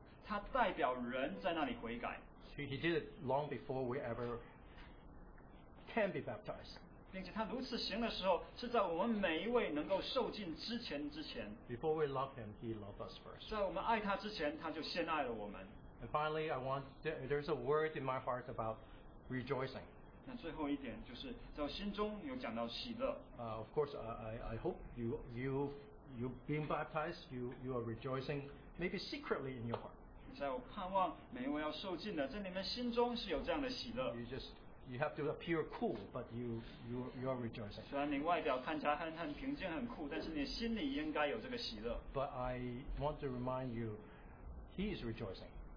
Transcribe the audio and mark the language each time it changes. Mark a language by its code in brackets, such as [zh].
[zh] 他代表人在那里悔改。 [en] So he did it long before we ever can be baptized. [zh] 并且他如此行的时候，是在我们每一位能够受浸之前。 [en] Before we love him, he loved us first. [zh] 在我们爱他之前，他就先爱了我们。 [en] And finally, there's a word in my heart about rejoicing. [zh] 那最后一点就是在我心中有讲到喜乐。 [en] Of course, I hope you being baptized, you are rejoicing, maybe secretly in your heart. [zh] 在我盼望每一位要受浸的，在你们心中是有这样的喜乐。 [en] You have to appear cool, but you are rejoicing. [zh] 虽然你外表看起来很平静很酷，但是你心里应该有这个喜乐。 [en] But I want to remind you, he is rejoicing.